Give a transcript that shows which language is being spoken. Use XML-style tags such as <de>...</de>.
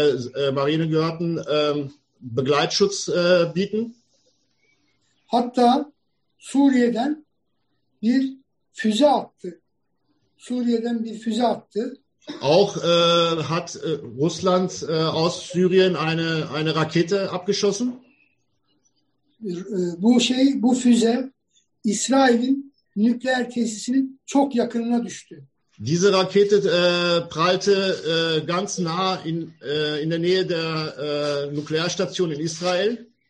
<de>der iranischen Marine gehörten, Begleitschutz bieten.</de> <tr>Hatta Suriye'den bir füze attı.</tr> <de>Auch hat Russland aus Syrien eine Rakete abgeschossen.</de> <tr>Bu füze İsrail'in nükleer tesisinin çok yakınına düştü.</tr> <de>Diese Rakete prallte ganz nah in der Nähe der Nuklearstation in Israel.</de>